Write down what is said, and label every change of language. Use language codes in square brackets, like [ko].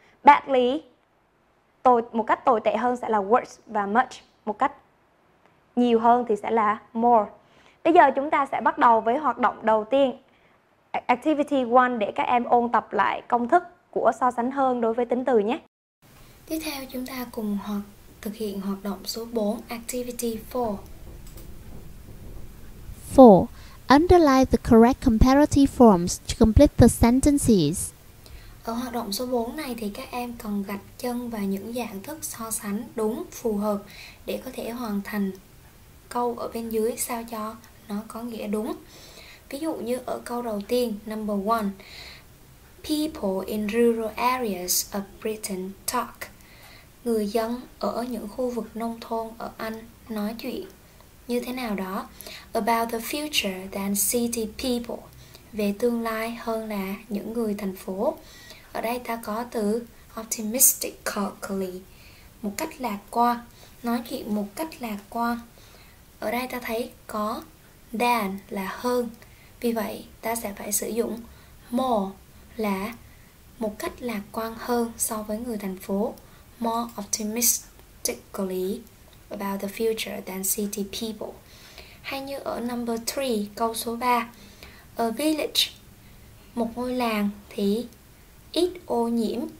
[vi] Badly, một cách tồi tệ hơn sẽ là worse, và much, một cách nhiều hơn thì sẽ là more. Bây giờ chúng ta sẽ bắt đầu với hoạt động đầu tiên, activity 1, để các em ôn tập lại công thức của so sánh hơn đối với tính từ nhé. Tiếp theo chúng ta cùng thực hiện hoạt động số 4, activity 4. [en] 4. Underline the correct comparative forms to complete the sentences. [vi] Ở hoạt động số 4 này thì các em cần gạch chân vào những dạng thức so sánh đúng, phù hợp để có thể hoàn thành câu ở bên dưới sao cho nó có nghĩa đúng. Ví dụ như ở câu đầu tiên, [en] number 1, people in rural areas of Britain talk. [vi] Người dân ở những khu vực nông thôn ở Anh nói chuyện như thế nào đó, [en] about the future than city people, [vi] về tương lai hơn là những người thành phố. Ở đây ta có từ optimistically, một cách lạc quan, nói chuyện một cách lạc quan. Ở đây ta thấy có than là hơn, vì vậy ta sẽ phải sử dụng more là một cách lạc quan hơn so với người thành phố. [en] More optimistically about the future than city people. [vi] Hay như ở number 3, câu số 3, [en] a village, [vi] một ngôi làng thì ít ô nhiễm.